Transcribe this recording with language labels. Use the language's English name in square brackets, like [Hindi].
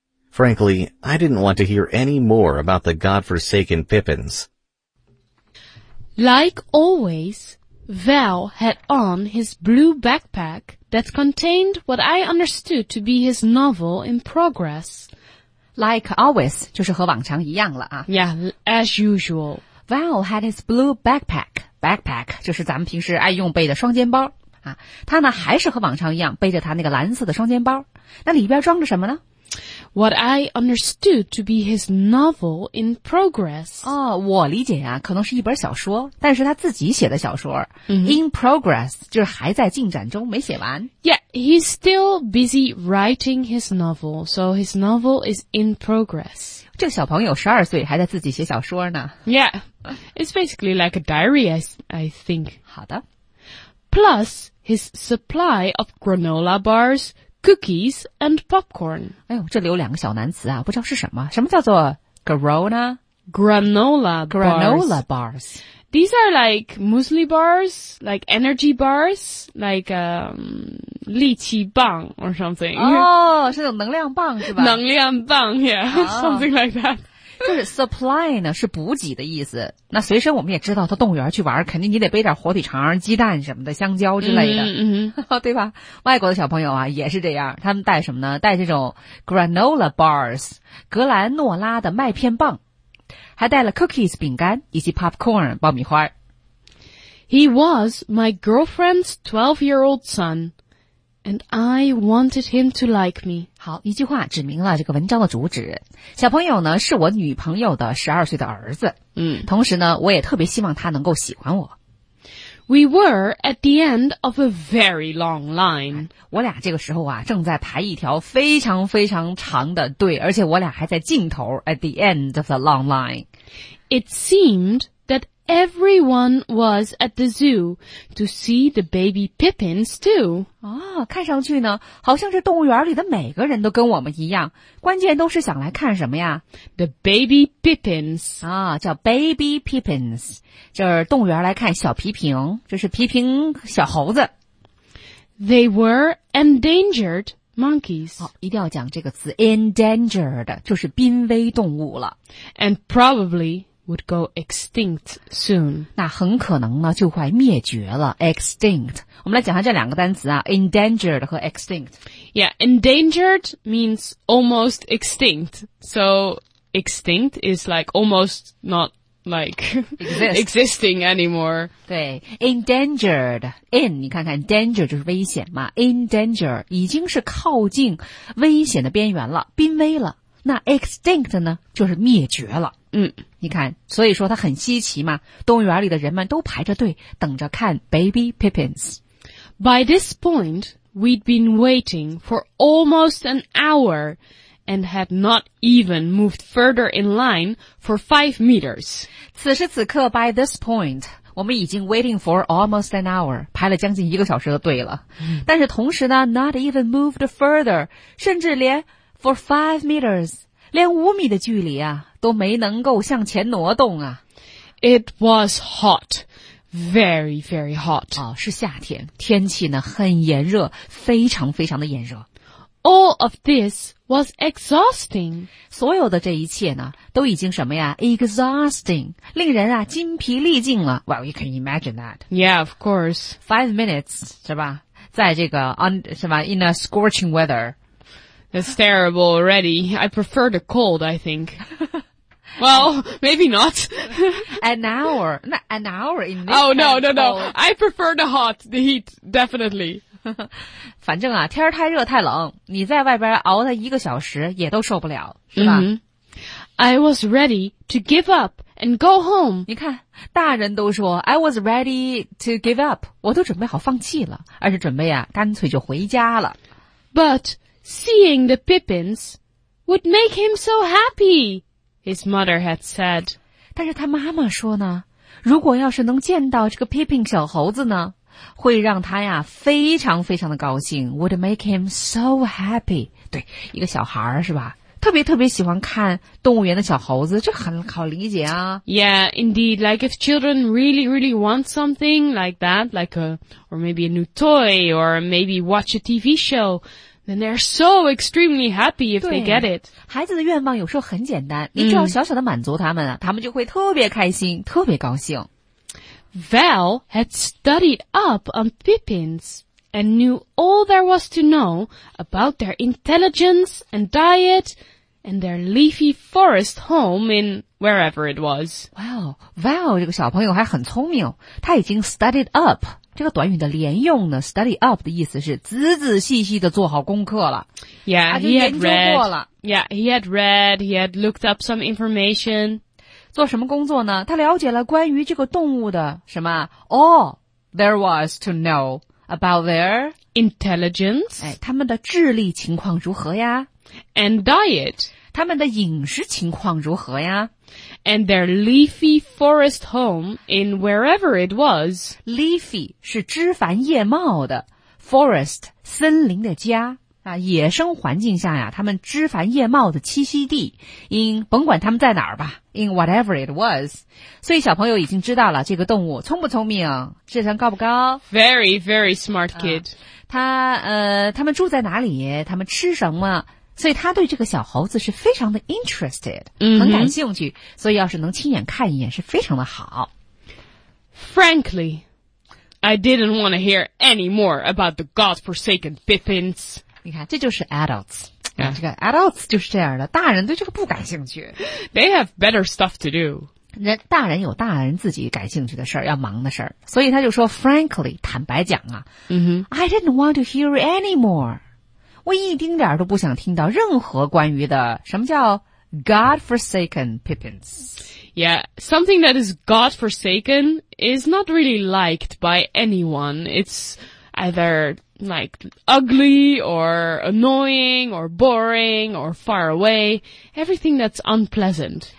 [English] Frankly, I didn't want to hear any more about the godforsaken pippins. Like always, Val had on his blue backpack that contained what I understood to be his novel in progress. Like always, [Chinese] 就是和往常一样了啊。 [English] Yeah, as usual. Val had his blue backpack. [Chinese] Backpack 就是咱们平时爱用背的双肩包啊。他呢还是和往常一样背着他那个蓝色的双肩包。那里边装着什么呢？ [English] What I understood to be his novel in progress. [Chinese] 哦，我理解啊，可能是一本小说，但是他自己写的小说。 Mm-hmm. [English] In progress, [Chinese] 就是还在进展中，没写完。 [English] Yeah, he's still busy writing his novel, so his novel is in progress. [Chinese] 这个小朋友12岁，还在自己写小说呢。 [English] Yeah, it's basically like a diary, I think. [Chinese] 好的。 [English] Plus, his supply of granola bars,Cookies and popcorn. [Chinese] 哎呦，这里有两个小难词啊，不知道是什么。什么叫做 granola? [English] Granola bars. Granola bars. These are like muesli bars, like energy bars, like, [Chinese] 力气棒 [English] or something. [Chinese] 哦，是那种能量棒是吧？能量棒 [English] yeah,、oh. something like that. [Chinese] 就是 supply 呢，是补给的意思。那随身我们也知道，到动物园去玩，肯定你得背点火腿肠、鸡蛋什么的、香蕉之类的， mm-hmm. 对吧？外国的小朋友啊，也是这样，他们带什么呢？带这种 granola bars， 格兰诺拉的麦片棒，还带了 cookies 饼干以及 popcorn 爆米花。 [English] He was my girlfriend's 12-year-old son. And I wanted him to like me. [Chinese] 好，一句话指明了这个文章的主旨。小朋友呢，是我女朋友的12岁的儿子。嗯，同时呢，我也特别希望他能够喜欢我。 [English] We were at the end of a very long line. [Chinese] 我俩这个时候啊，正在排一条非常非常长的队，而且我俩还在尽头 , [English] at the end of the long line. It seemed... Everyone was at the zoo to see the baby pippins too. 哦，看上去呢，好像这动物园里的每个人都跟我们一样，关键都是想来看什么呀？The baby pippins. 啊，叫 baby pippins， 就是动物园来看小皮平，这是皮平小猴子。 They were endangered monkeys. [Chinese] 好，一定要讲这个词 ，endangered 就是濒危动物了 [English] ，and probably. Would go extinct soon. [Chinese] 那很可能呢就快灭绝了 extinct. 我们来讲一下这两个单词啊 endangered 和 extinct. [English] Yeah, endangered means almost extinct. So extinct is like almost not like existing anymore. [Chinese] 对 endangered, in, 你看看 danger 就是危险嘛 endanger 已经是靠近危险的边缘了濒危了。那 extinct 呢就是灭绝了。嗯，你看，所以说它很稀奇嘛。动物园里的人们都排着队等着看 baby pippins。 [English] By this point, we'd been waiting for almost an hour and had not even moved further in line for 5 meters. [Chinese] 此时此刻 , [English] by this point, [Chinese] 我们已经 [English] waiting for almost an hour, [Chinese] 排了将近一个小时的队了。嗯、但是同时呢 , [English] not even moved further, [Chinese] 甚至连 [English] for 5 meters, [Chinese] 连五米的距离啊都没能够向前挪动啊。 [English] It was hot, very, very hot.、 [Chinese] 哦、是夏天天气呢很炎热非常非常的炎热。 [English] All of this was exhausting. [Chinese] 所有的这一切呢都已经什么呀 ,exhausting, 令人啊筋疲力尽了。 [English] Well, you can imagine that. Yeah, of course. 5 minutes, [Chinese] 是吧在这个 是吧 [English] ,in a scorching weather. It's terrible already. I prefer the cold, I think. Well, maybe not. An hour in this. Oh, no. I prefer the hot, the heat, definitely. [Chinese] 反正啊天太热太冷你在外边熬了一个小时也都受不了是吧、 mm-hmm. [English] I was ready to give up and go home. [Chinese] 你看大人都说 [English] I was ready to give up. [Chinese] 我都准备好放弃了而是准备啊干脆就回家了。 [English] But,Seeing the pippins would make him so happy, his mother had said. [Chinese] 但是他妈妈说呢，如果要是能见到这个 pippin 小猴子呢，会让他呀非常非常的高兴 ， [English] would make him so happy. [Chinese] 对，一个小孩是吧？特别特别喜欢看动物园的小猴子，这很好理解啊。 [English] Yeah, indeed. Like if children really, really want something like that, like maybe a new toy or maybe watch a TV show. And they're so extremely happy if they get it. [Chinese] 孩子的愿望有时候很简单，你只要小小的满足他们，他们就会特别开心，特别高兴。 [English] Val had studied up on pippins and knew all there was to know about their intelligence and diet and their leafy forest home in wherever it was. [Chinese] Wow, Val 这个小朋友还很聪明，他已经 studied up。这个短语的连用呢 ，study up 的意思是仔仔细细的做好功课了。 [English] Yeah, he had read. Yeah, he had read. He had looked up some information. [Chinese] 做什么工作呢？他了解了关于这个动物的什么 ？ [English] All there was to know about their intelligence. [Chinese] 哎，他们的智力情况如何呀 [English] ？And diet. [Chinese] 他们的饮食情况如何呀？ [English] And their leafy forest home in wherever it was. [Chinese] Leafy 是枝繁叶茂的 ，forest 森林的家啊，野生环境下呀，他们枝繁叶茂的栖息地。 In 甭管他们在哪儿吧 ， [English] in whatever it was. [Chinese] 所以小朋友已经知道了这个动物聪不聪明，智商高不高 [English] ？Very very smart kid. [Chinese] 他们住在哪里？他们吃什么？所以他对这个小猴子是非常的 interested,、 mm-hmm. 很感兴趣。所以要是能亲眼看一眼是非常的好。 [English] Frankly, I didn't want to hear any more about the godforsaken pippins. [Chinese] 你看，这就是 adults.、Yeah. 这个 adults 就是这样的，大人对这个不感兴趣。 [English] They have better stuff to do. [Chinese] 大人有大人自己感兴趣的事儿，要忙的事儿。所以他就说 ,frankly, 坦白讲啊、 mm-hmm. [English] I didn't want to hear any more. [Chinese] 我一丁点都不想听到任何关于的什么叫 godforsaken pippins. [English] Yeah, something that is godforsaken is not really liked by anyone. It's either like ugly or annoying or boring or far away. Everything that's unpleasant.